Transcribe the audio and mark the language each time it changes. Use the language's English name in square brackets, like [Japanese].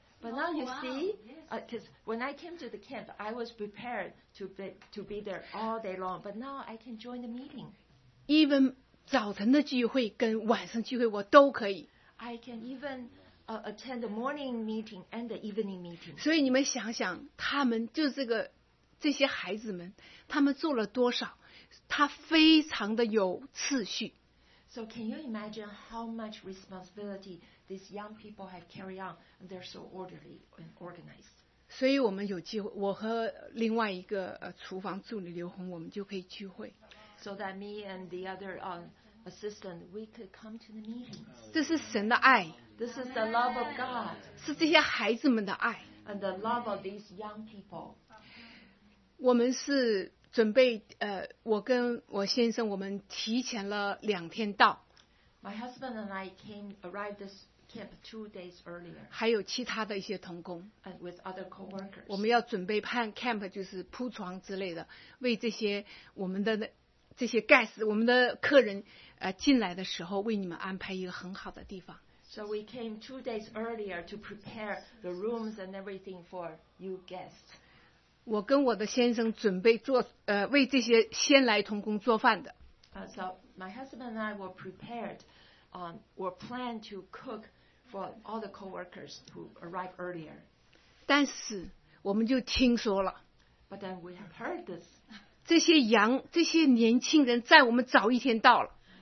[English] But now you see, because when I came to the camp, I was prepared to be there all day long. But now I can join the meeting. [Chinese] Even 早晨的聚会跟晚上聚会我都可以。 [English] I can even attend the morning meeting and the evening meeting. [Chinese] 所以你们想想，他们就是这些孩子们，他们做了多少？他非常的有次序。 [English] So can you imagine how much responsibility these young people have carried on? And they're so orderly and organized. [Chinese] 所以我们有机会，我和另外一个厨房助理刘红，我们就可以聚会。 [English] So that me and the other assistant, we could come to the meetings. [Chinese] 这是神的爱。 [English] This is the love of God. [Chinese] 是这些孩子们的爱。 [English] And the love of these young people. [Chinese] 我们是准备我跟我先生，我们提前了两天到。 [English] My husband and I arrived this camp 2 days earlier. [Chinese] 还有其他的一些同工。 [English] And with other co-workers. [Chinese] 我们要准备办 camp, 就是铺床之类的，为这些我们的这些 guests, 我们的客人进来的时候，为你们安排一个很好的地方。 [English] So we came 2 days earlier to prepare the rooms and everything for you guests. [Chinese] 我跟我的先生准备做为这些先来同工做饭的。 [English] So my husband and I were prepared, were planned to cook for all the co-workers who arrived earlier. [Chinese] 但是我们就听说了。 [English] But then we have heard this. [Chinese] 这些年轻人在我们早一天到了。